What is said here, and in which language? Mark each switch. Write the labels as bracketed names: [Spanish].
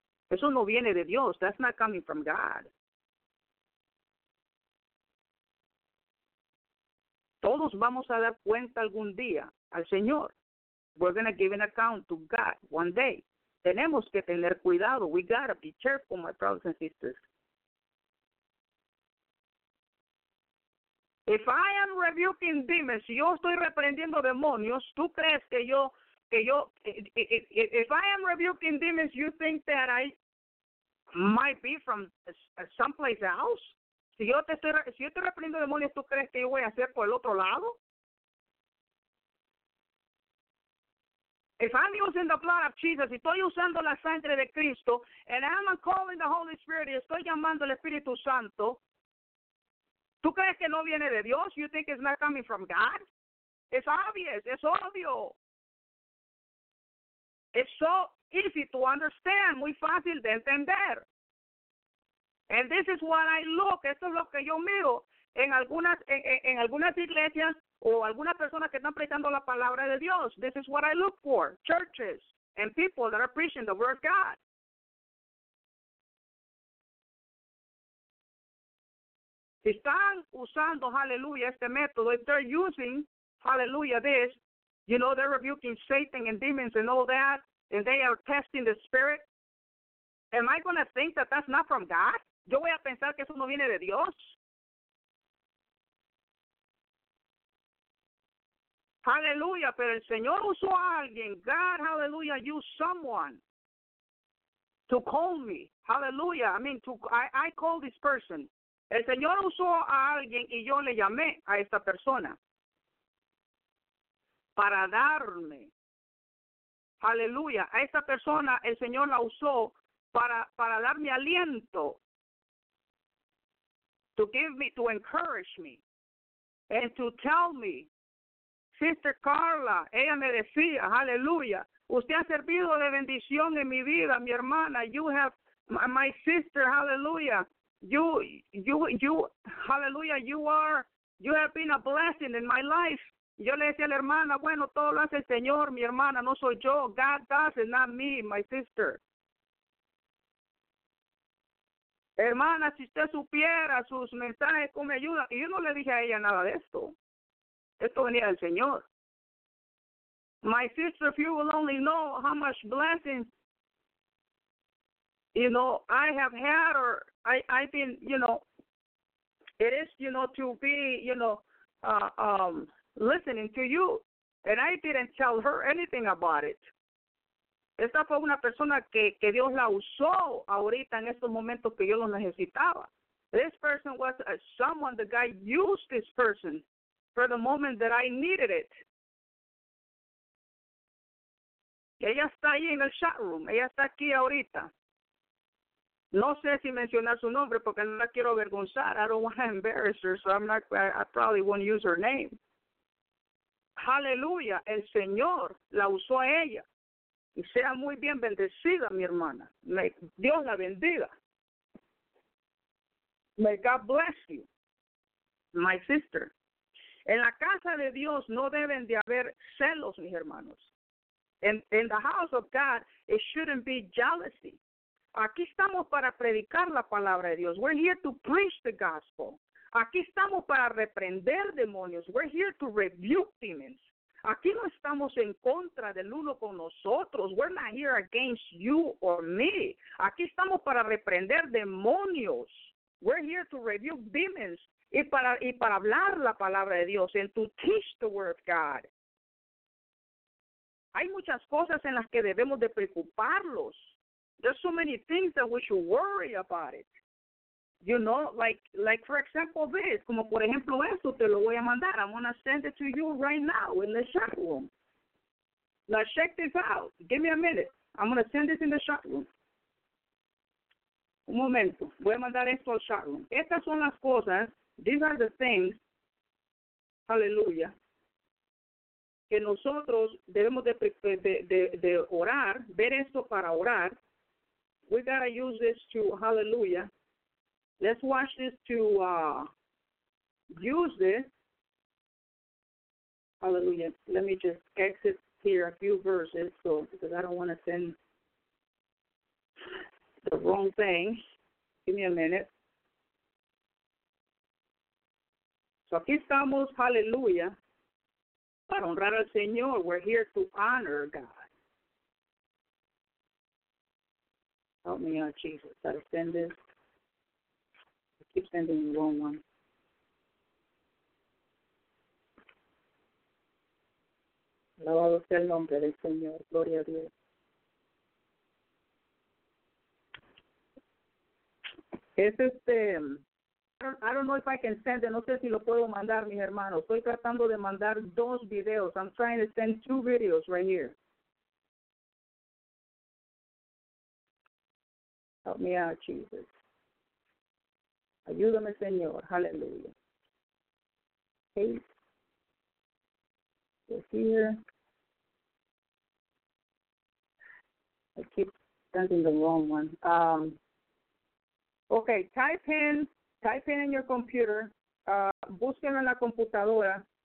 [Spanish] Eso no viene de Dios. [English] That's not coming from God. [Spanish] Todos vamos a dar cuenta algún día al Señor. [English] We're going to give an account to God one day. [Spanish] Tenemos que tener cuidado. [English] We got to be careful, my brothers and sisters. If I am rebuking demons, [Spanish] si yo estoy reprendiendo demonios, ¿tú crees que yo, [English] if I am rebuking demons, you think that I might be from someplace else? [Spanish] Si yo estoy reprendiendo demonios, ¿tú crees que yo voy a ser por el otro lado? [English] If I'm using the blood of Jesus, [Spanish] si estoy usando la sangre de Cristo, [English] and I'm calling the Holy Spirit, [Spanish] y estoy llamando al Espíritu Santo, ¿tú crees que no viene de Dios? [English] You think it's not coming from God? It's obvious. It's obvio. It's so easy to understand. [Spanish] Muy fácil de entender. [English] And this is what I look. [Spanish] Esto es lo que yo miro en algunas iglesias o algunas personas que están predicando la palabra de Dios. [English] This is what I look for. Churches and people that are preaching the word of God. [Spanish] Si están usando, hallelujah, este método, [English] if they're using, hallelujah, this, you know, they're rebuking Satan and demons and all that, and they are testing the spirit, am I going to think that that's not from God? [Spanish] ¿Yo voy a pensar que eso no viene de Dios? Hallelujah, pero el Señor usó a alguien. [English] God, hallelujah, used someone to call me. Hallelujah, I mean, I call this person. [Spanish] El Señor usó a alguien y yo le llamé a esta persona para darme, aleluya, a esta persona el Señor la usó para darme aliento, [English] to give me, to encourage me, and to tell me, Sister Carla, [Spanish] ella me decía, aleluya, usted ha servido de bendición en mi vida, mi hermana, [English] you have, my sister, [Spanish] aleluya. [English] You, hallelujah, you have been a blessing in my life. [Spanish] Yo le decía a la hermana, bueno, todo lo hace el Señor, mi hermana, no soy yo. [English] God does it, not me, my sister. [Spanish] Hermana, si usted supiera sus mensajes, ¿cómo me ayuda? Y yo no le dije a ella nada de esto. Esto venía del Señor. [English] My sister, if you will only know how much blessings, you know, I have had, or I've been, you know, it is, you know, to be, you know, listening to you. And I didn't tell her anything about it. [Spanish] Esta fue una persona que Dios la usó ahorita en estos momentos que yo lo necesitaba. [English] This person was someone, the guy used this person for the moment that I needed it. [Spanish] Ella está ahí en el chat room. Ella está aquí ahorita. No sé si mencionar su nombre porque no la quiero avergonzar. [English] I don't want to embarrass her, so I probably won't use her name. [Spanish] Hallelujah. El Señor la usó a ella. Y sea muy bien bendecida, mi hermana. Dios la bendiga. [English] May God bless you, my sister. [Spanish] En la casa de Dios no deben de haber celos, mis hermanos. [English] In the house of God, it shouldn't be jealousy. [Spanish] Aquí estamos para predicar la palabra de Dios. [English] We're here to preach the gospel. [Spanish] Aquí estamos para reprender demonios. [English] We're here to rebuke demons. [Spanish] Aquí no estamos en contra del uno con nosotros. [English] We're not here against you or me. [Spanish] Aquí estamos para reprender demonios. [English] We're here to rebuke demons. [Spanish] Y para hablar la palabra de Dios. [English] And to teach the word of God. [Spanish] Hay muchas cosas en las que debemos de preocuparlos. [English] There's so many things that we should worry about it. You know, like for example this. [Spanish] Como por ejemplo esto, te lo voy a mandar. [English] I'm going to send it to you right now in the chat room. Now check this out. Give me a minute. I'm going to send this in the chat room. [Spanish] Un momento. Voy a mandar esto al chat room. Estas son las cosas. [English] These are the things. [Spanish] Hallelujah. Que nosotros debemos de orar, ver esto para orar. [English] We got to use this to, hallelujah. Let's watch this to use this. Hallelujah. Let me just exit here a few verses so because I don't want to send the wrong thing. Give me a minute. [Spanish] So aquí estamos, hallelujah, para honrar al Señor. [English] We're here to honor God. Help me out, Jesus. Gotta send this. I keep sending the wrong one. [Spanish] Alabado sea el nombre del Señor. Gloria a Dios. Es este... [English] I don't know if I can send it. [Spanish] No sé si lo puedo mandar, mis hermanos. Estoy tratando de mandar dos videos. [English] I'm trying to send two videos right here. Help me out, Jesus. [Spanish] Ayúdame, Señor. [English] Hallelujah. Okay. We're here. I keep sending the wrong one. Okay, type in in your computer. [Spanish] Búsquenlo en la computadora.